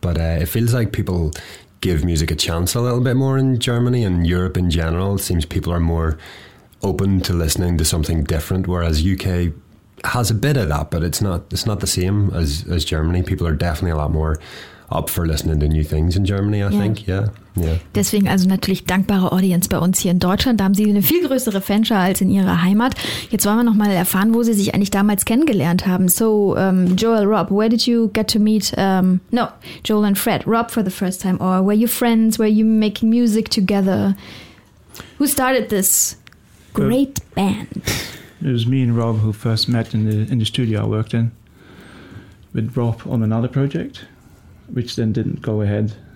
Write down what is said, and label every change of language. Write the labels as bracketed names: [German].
[English] But it feels like people give music a chance a little bit more in Germany and Europe in general. It seems people are more open to listening to something different, whereas UK has a bit of that, but it's not the same as Germany. People are definitely a lot more up for listening to new things in Germany, I think. Yeah. Yeah. [German] Deswegen also natürlich dankbare Audience bei uns hier in Deutschland. Da haben Sie eine viel größere Fanschar als in Ihrer Heimat. Jetzt wollen wir noch mal erfahren, wo Sie sich eigentlich damals kennengelernt haben. [English] So, Joel, Rob, where did you get to meet? No, Joel and Fred, Rob for the first time. Or were you friends? Were you making music together? Who started this great band? It was me and Rob who first met in the studio I worked in. With Rob on another project, which then didn't go ahead.